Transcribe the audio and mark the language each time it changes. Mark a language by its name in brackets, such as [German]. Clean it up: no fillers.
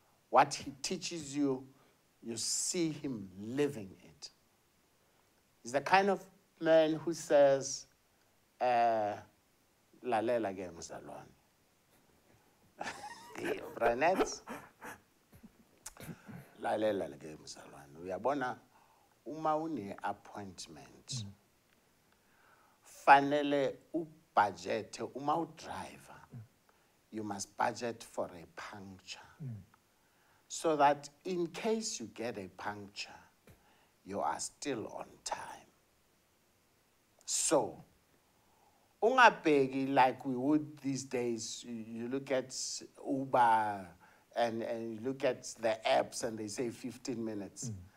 [English] What he teaches you, you see him living it. He's the kind of man who says, [Zulu] lalela ke mzalwane. Brunette, lalela ke mzalwane. Uyabona uma une appointment, fanele u budget uma u driver. [English] You must budget for a puncture, so that in case you get a puncture, you are still on time. So, [Zulu] ungabheki [English] like we would these days. You look at Uber and you look at the apps and they say 15 minutes. Mm.